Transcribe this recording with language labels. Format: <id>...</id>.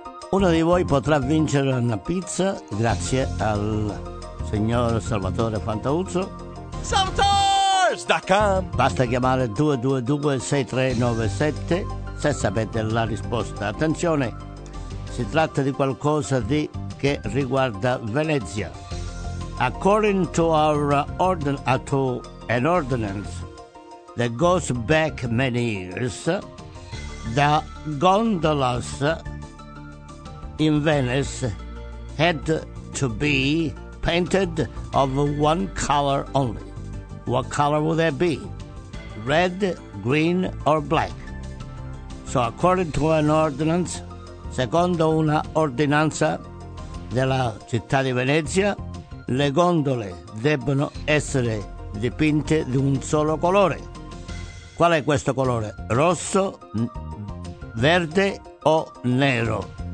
<it>Uno di voi potrà vincere una pizza grazie al signor Salvatore Fantauzzo. Salvatore.com. Basta chiamare 222-6397 se sapete la risposta. Attenzione, si tratta di qualcosa di che riguarda Venezia.</it> <en>According to our ordinance that goes back many years, the gondolas in Venice had to be painted of one color only. What color would that be? Red, green or black? So according to an ordinance,</en> <it>secondo una ordinanza della città di Venezia, le gondole debbono essere dipinte di un solo colore. Qual è questo colore? Rosso, verde o nero?</it>